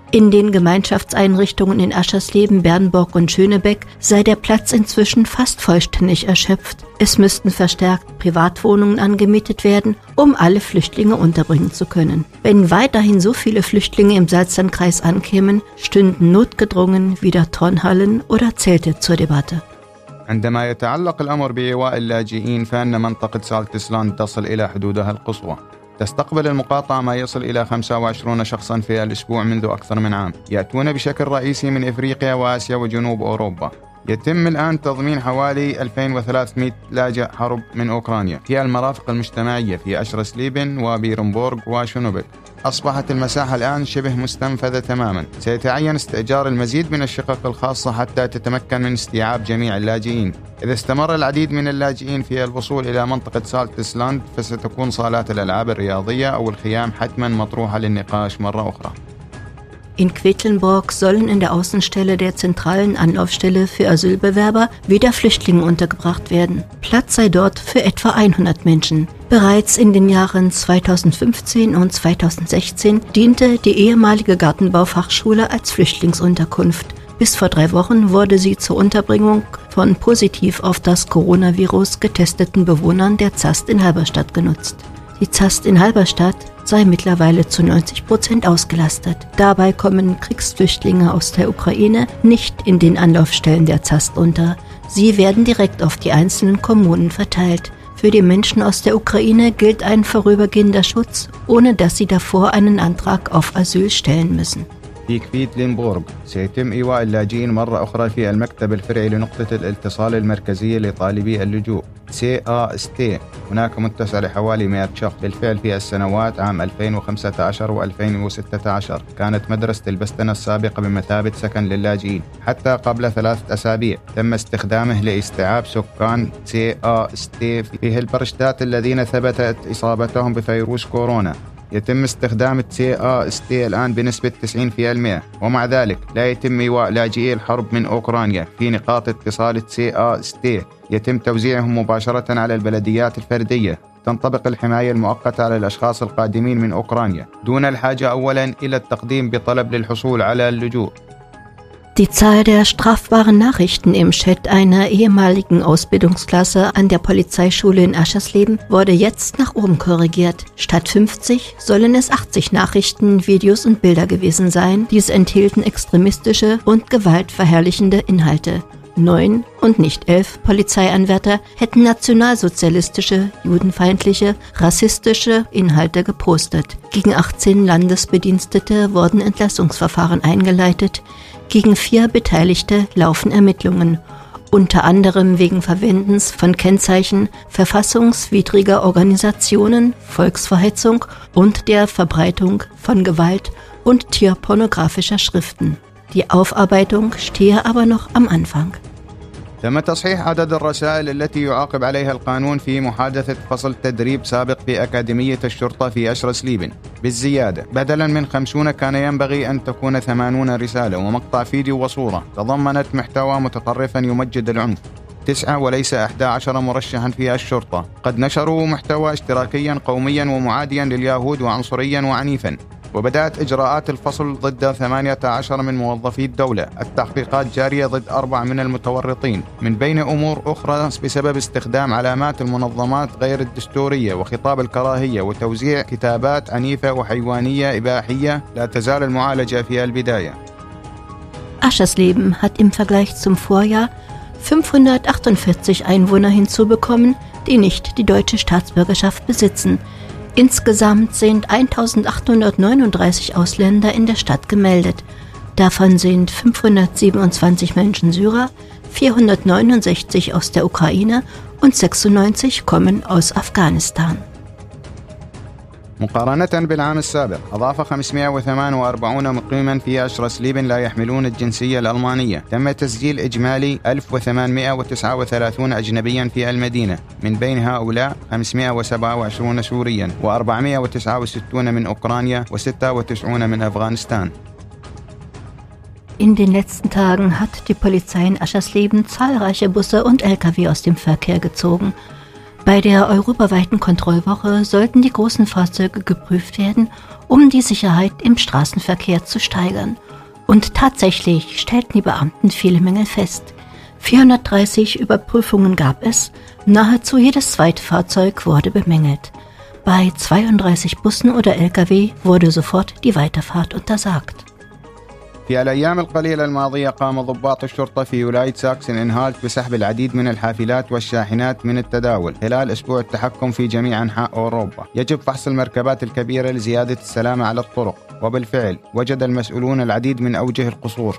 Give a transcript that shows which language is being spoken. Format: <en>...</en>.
<de>In den Gemeinschaftseinrichtungen in Aschersleben, Bernburg und Schönebeck sei der Platz inzwischen fast vollständig erschöpft. Es müssten verstärkt Privatwohnungen angemietet werden, um alle Flüchtlinge unterbringen zu können. Wenn weiterhin so viele Flüchtlinge im Salzlandkreis ankämen, stünden notgedrungen wieder Turnhallen oder Zelte zur Debatte.</de> <ar>عندما يتعلق الأمر بإيواء اللاجئين فإن منطقة سالتسلاند تصل إلى حدودها القصوى. تستقبل المقاطعة ما يصل إلى 25 شخصاً في الأسبوع منذ أكثر من عام يأتون بشكل رئيسي من إفريقيا وآسيا وجنوب أوروبا يتم الآن تضمين حوالي 2300 لاجئ حرب من أوكرانيا في المرافق المجتمعية في أشرسليبن وبيرنبورغ وشنوبك أصبحت المساحة الآن شبه مستنفذة تماماً سيتعين استئجار المزيد من الشقق الخاصة حتى تتمكن من استيعاب جميع اللاجئين إذا استمر العديد من اللاجئين في الوصول إلى منطقة سالتسلاند فستكون صالات الألعاب الرياضية أو الخيام حتماً مطروحة للنقاش مرة أخرى</ar> <de>In Quedlinburg sollen in der Außenstelle der zentralen Anlaufstelle für Asylbewerber wieder Flüchtlinge untergebracht werden. Platz sei dort für etwa 100 Menschen. Bereits in den Jahren 2015 und 2016 diente die ehemalige Gartenbaufachschule als Flüchtlingsunterkunft. Bis vor drei Wochen wurde sie zur Unterbringung von positiv auf das Coronavirus getesteten Bewohnern der ZAST in Halberstadt genutzt. Die ZAST in Halberstadt sei mittlerweile zu 90% ausgelastet. Dabei kommen Kriegsflüchtlinge aus der Ukraine nicht in den Anlaufstellen der ZAST unter. Sie werden direkt auf die einzelnen Kommunen verteilt. Für die Menschen aus der Ukraine gilt ein vorübergehender Schutz, ohne dass sie davor einen Antrag auf Asyl stellen müssen.</de> <ar>في كفيدلينبورغ سيتم إيواء اللاجئين مرة أخرى في المكتب الفرعي لنقطة الاتصال المركزية لطالبي اللجوء CAST هناك متسع لحوالي 100 شخص بالفعل في السنوات عام 2015 و2016 كانت مدرسة البستنة السابقة بمثابة سكن للاجئين حتى قبل 3 أسابيع تم استخدامه لاستيعاب سكان CAST في هيلبرشتات الذين ثبتت إصابتهم بفيروس كورونا يتم استخدام CAST الآن بنسبة 90% ومع ذلك لا يتم إيواء لاجئي الحرب من أوكرانيا في نقاط اتصال CAST يتم توزيعهم مباشرة على البلديات الفردية تنطبق الحماية المؤقتة على الأشخاص القادمين من أوكرانيا دون الحاجة أولا إلى التقديم بطلب للحصول على اللجوء</ar> <de>Die Zahl der strafbaren Nachrichten im Chat einer ehemaligen Ausbildungsklasse an der Polizeischule in Aschersleben wurde jetzt nach oben korrigiert. Statt 50 sollen es 80 Nachrichten, Videos und Bilder gewesen sein, die es enthielten extremistische und gewaltverherrlichende Inhalte. 9 und nicht 11 Polizeianwärter hätten nationalsozialistische, judenfeindliche, rassistische Inhalte gepostet. Gegen 18 Landesbedienstete wurden Entlassungsverfahren eingeleitet. Gegen 4 Beteiligte laufen Ermittlungen, unter anderem wegen Verwendens von Kennzeichen verfassungswidriger Organisationen, Volksverhetzung und der Verbreitung von Gewalt und tierpornografischer Schriften. Die Aufarbeitung stehe aber noch am Anfang.</de> <ar>تم تصحيح عدد الرسائل التي يعاقب عليها القانون في محادثة فصل تدريب سابق في أكاديمية الشرطة في أشرسليبن بالزيادة بدلاً من 50 كان ينبغي أن تكون 80 رسالة ومقطع فيديو وصورة تضمنت محتوى متطرفاً يمجد العنف 9 وليس 11 مرشحاً في الشرطة قد نشروا محتوى اشتراكياً قومياً ومعادياً لليهود وعنصرياً وعنيفاً وبدأت إجراءات الفصل ضد 18 من موظفي الدولة. التحقيقات جارية ضد 4 من المتورطين، من بين أمور أخرى بسبب استخدام علامات المنظمات غير الدستورية وخطاب الكراهية وتوزيع كتابات عنيفة وحيوانية إباحية. لا تزال المعالجة في البداية.</ar> <de>Aschersleben hat im Vergleich zum Vorjahr 548 Einwohner hinzubekommen, die nicht die deutsche Staatsbürgerschaft besitzen. Insgesamt sind 1839 Ausländer in der Stadt gemeldet. Davon sind 527 Menschen Syrer, 469 aus der Ukraine und 96 kommen aus Afghanistan.</de> <ar>مقارنة بالعام السابق، أضاف 548 مقيما في أشرسليبن لا يحملون الجنسية الألمانية. تم تسجيل إجمالي 1839 أجنبيا في المدينة، من بين هؤلاء 527 سوريا و469 من أوكرانيا و96 من أفغانستان.</ar> <de>In den letzten Tagen hat die Polizei in Aschersleben zahlreiche Busse und LKW aus dem Verkehr gezogen. Bei der europaweiten Kontrollwoche sollten die großen Fahrzeuge geprüft werden, um die Sicherheit im Straßenverkehr zu steigern. Und tatsächlich stellten die Beamten viele Mängel fest. 430 Überprüfungen gab es, nahezu jedes zweite Fahrzeug wurde bemängelt. Bei 32 Bussen oder LKW wurde sofort die Weiterfahrt untersagt.</de> <ar>في الأيام القليلة الماضية قام ضباط الشرطة في ولاية ساكسن إنهالت بسحب العديد من الحافلات والشاحنات من التداول خلال أسبوع التحكم في جميع أنحاء أوروبا. يجب فحص المركبات الكبيرة لزيادة السلامة على الطرق، وبالفعل وجد المسؤولون العديد من أوجه القصور.</ar>